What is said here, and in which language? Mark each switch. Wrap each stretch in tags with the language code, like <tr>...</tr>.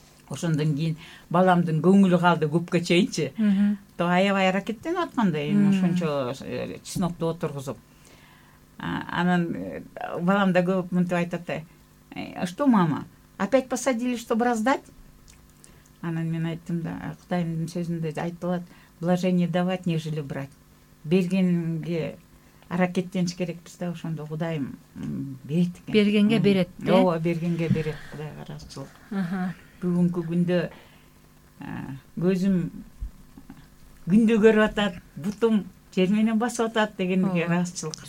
<ky>Ошондон кийин баламдын көңүлү калды көпкө чейинчи. Аябай аракеттенип аткан да эми ошончо чеснокту отургузуп. Анан балам да көп мынтип айтат да:</ky> <ru>«Что, мама, опять посадили, чтобы раздать?»</ru> <ky>Анан мен айттым да, кудайымдын сөзүндө айтылат:</ky> <ru>«Блажение давать, нежели брать».</ru> <ky>Бергенге аракеттениш керекпиз да, ошондо кудайым берет экен. Бергенге берет. Ооба, бергенге берет, кудайга ыраазычылык. Бүгүнкү күндө көзүм күндү көрүп атат, бутум жер менен басып атат дегенге ыраазычылык.</ky>